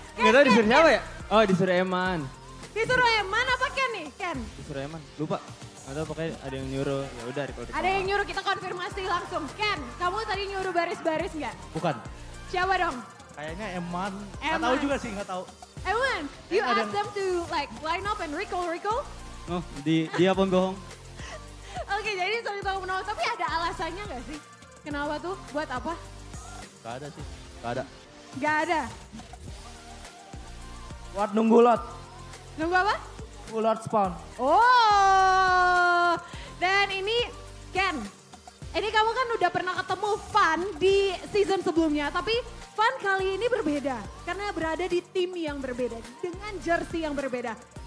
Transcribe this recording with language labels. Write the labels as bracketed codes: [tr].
[id] Gak tahu disuruh siapa ya? Oh, disuruh Eman. Disuruh Eman apa Ken nih, Ken? Disuruh Eman, lupa. Atau pokoknya ada yang nyuruh, ya udah recall. Ada yang nyuruh, kita konfirmasi langsung. Ken, kamu tadi nyuruh baris-baris nggak? Bukan. Siapa dong? Kayaknya Eman. Nggak tahu juga sih, nggak tahu. [en] Eman, you ask them to like line up and recall? [id] Oh, dia pun bohong. Oke, jadi sorry tahu menolak, tapi ada alasannya nggak sih? Kenapa tuh? Buat apa? Gak ada sih, gak ada. Gak ada? Buat nunggu lot. Nunggu apa? Ulat spawn. Oh, dan ini Ken, ini kamu kan udah pernah ketemu Fun di season sebelumnya, tapi Fun kali ini berbeda karena berada di tim yang berbeda dengan jersey yang berbeda.